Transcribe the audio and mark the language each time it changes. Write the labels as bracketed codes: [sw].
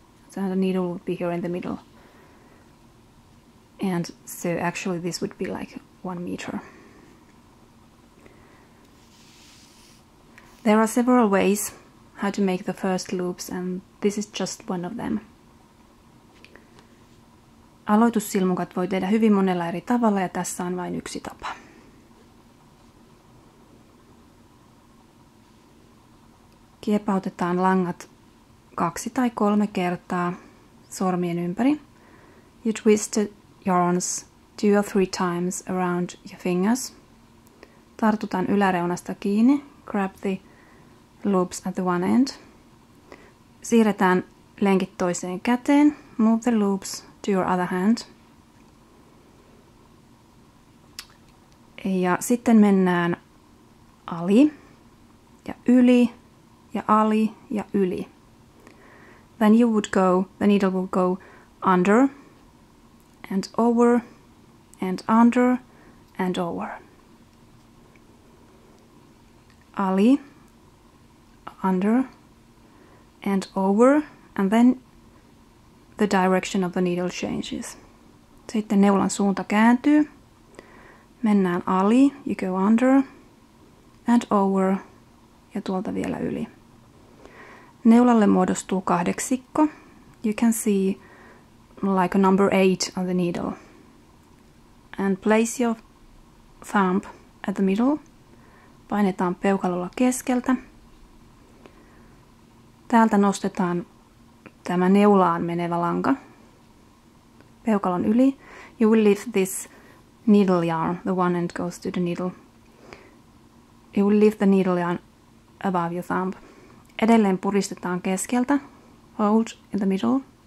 [en] So the needle would be here in the middle. And so actually this would be like 1 meter. There are several ways how to make the first loops, and this is just one of them. [fi] Aloitussilmukat voi tehdä hyvin monella eri tavalla, ja tässä on vain yksi tapa. Kiepautetaan langat 2 tai 3 kertaa sormien ympäri. [en] You twist the yarns 2 or 3 times around your fingers. [fi] Tartutaan yläreunasta kiinni. [en] Grab the loops at the one end. [fi] Siirretään lenkit toiseen käteen. [en] Move the loops to your other hand. [fi] Ja sitten mennään ali ja yli ja ali ja yli. [en] Then you would go, the needle would go under and over and under and over. Ali, under, and over, and then the direction of the needle changes. [fi] Sitten neulan suunta kääntyy. Mennään ali, [en] you go under, and over, [fi] ja tuolta vielä yli. Neulalle muodostuu 8. [en] You can see like a number 8 on the needle. And place your thumb at the middle. [fi] Painetaan peukalolla keskeltä. Täältä nostetaan tämä neulaan menevä lanka peukalon yli. [en] You will lift this needle yarn, the one end goes to the needle. You will lift the needle yarn above your thumb. [fi] Edelleen puristetaan keskeltä, [en] hold in the middle.